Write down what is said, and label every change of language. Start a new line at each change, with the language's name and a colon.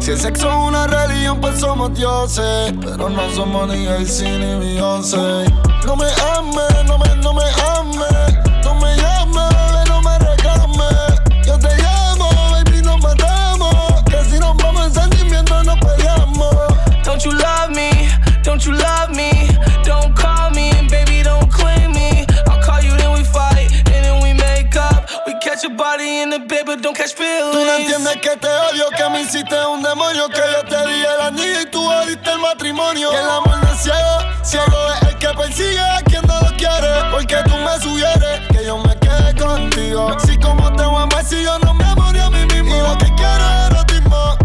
Spanish: Si el sexo es una religión, pues somos dioses. Pero no somos ni Jay-Z ni Beyoncé. No me ames, no me ames. No me llames, no me reclames. Yo te llamo, baby, nos matamos. Que si nos vamos en sentimiento, nos peleamos.
English: Don't you love me, don't you love me. Don't call me, baby, don't claim me. I'll call you, then we fight, and then we make up. We catch a body in the bed, but don't catch feelings.
Spanish: Tú no entiendes que te odio, que me hiciste un demonio. Que yo te di el anillo y tú jodiste el matrimonio. Que el amor no es ciego, ciego es el que persigue a quien no lo quiere. Porque tú me sugieres que yo me quede contigo. Si como te voy a amar, si yo no me morí a mí mismo. Y lo que quiero es erotismo.